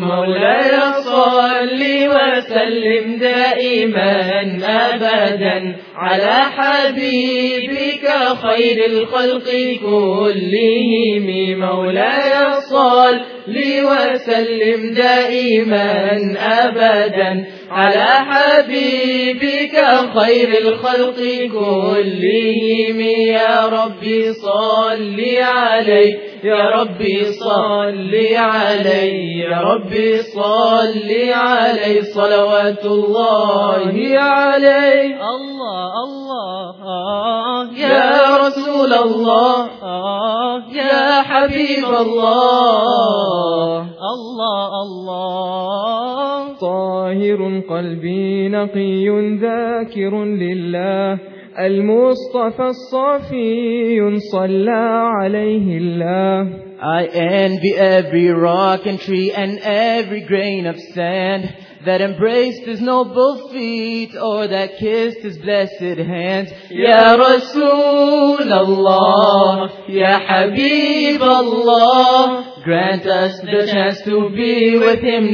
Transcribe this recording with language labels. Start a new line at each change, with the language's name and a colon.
Arabic: Mawlaya salli wa sallim da'iman abadan ala habibika khayril khalqi kullihim. Mawlaya salli wa sallim da'iman abadan على حبيبك خير الخلق كلهم. يا ربي صلي علي يا ربي صلي علي يا ربي صلي علي صلوات الله علي. الله الله يا رسول الله يا حبيب الله. الله الله طاهر قلبي نقي ذاكر لله المصطفى الصفي صلى عليه الله.
English: I envy every rock and tree and every grain of sand that embraced his noble feet or that kissed his blessed hands.
Arabic: Ya Rasul Allah, Ya Habib Allah,
English: grant us the chance to be with him.